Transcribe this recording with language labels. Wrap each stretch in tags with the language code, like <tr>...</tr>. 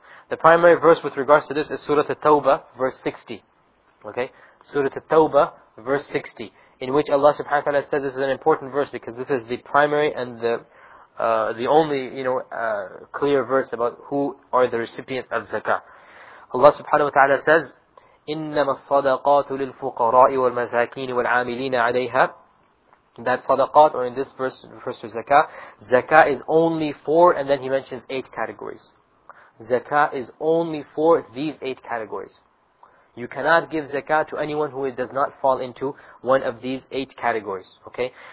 <en>The primary verse with regards to this is Surah At-Tawbah, verse 60. Okay, Surah At-Tawbah, verse 60, in which Allah Subhanahu wa Taala said, this is an important verse because this is the primary and the only, you know, clear verse about who are the recipients of zakah. Allah subhanahu wa ta'ala says,</en> <ar>إِنَّمَا الصَّدَقَاتُ لِلْفُقَرَاءِ وَالْمَسَاكِينِ وَالْعَامِلِينَ عَلَيْهَا.</ar> <en>That sadaqat, or in this verse, refers to zakah. Zakah is only for, and then he mentions eight categories. Zakah is only for these eight categories. You cannot give zakah to anyone who does not fall into one of these eight categories. Okay?</en>